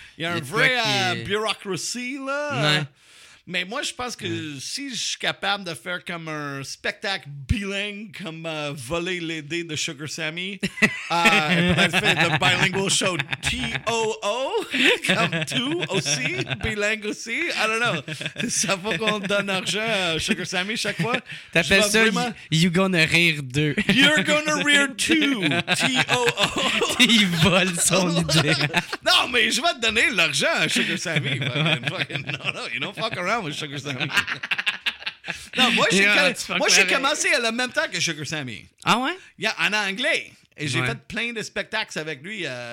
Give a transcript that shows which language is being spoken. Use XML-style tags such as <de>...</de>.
<fr>Il y a un vrai bureaucratie, là. Mais moi, je pense que si je suis capable de faire comme un spectacle bilingue, comme voler les dés de Sugar Sammy, faire le</fr> <en>bilingual show</en> <fr>T-O-O, comme tout aussi, bilingue aussi,</fr> <en>I don't know.</en> <fr>Ça faut qu'on donne argent à Sugar Sammy chaque fois. T'appelles ça vraiment... You're Gonna Rire 2. You're Gonna Rire 2, T-O-O. Il vole son idée. Non, mais je vais te donner l'argent à Sugar Sammy.</fr> <en>Fucking, no, you don't fuck around with Sugar Sammy.</en> <fr>Non, moi, j'ai commencé à la même temps que Sugar Sammy. Ah ouais? Yeah, en anglais. Et j'ai fait plein de spectacles avec lui.</fr>